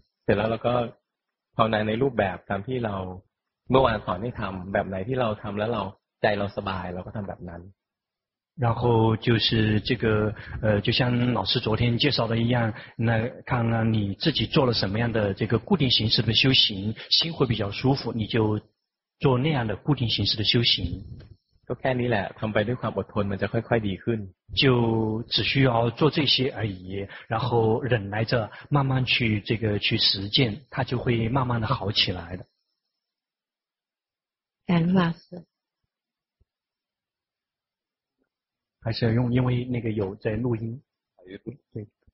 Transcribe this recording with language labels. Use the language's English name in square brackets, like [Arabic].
[Thai] เสร็จแล้วเราก็ภาวนาในรูปแบบตามที่เราเมื่อวานสอนให้ทำแบบไหนที่เราทำแล้วเราใจเราสบายเราก็ทำแบบนั้น [Chinese] 然后就是这个就像老师昨天介绍的一样那看看你自己做了什么样的这个固定形式的修行心会比较舒服你就做那样的固定形式的修行就 [Thai] แค่นี้แหละทำไปด้วยความอดทนมันจะค่อยๆดีขึ้น [Chinese] 就只需要做这些而已然后忍耐着慢慢去这个去实践它就会慢慢的好起来的感恩老师还是要用因为那个有在录音对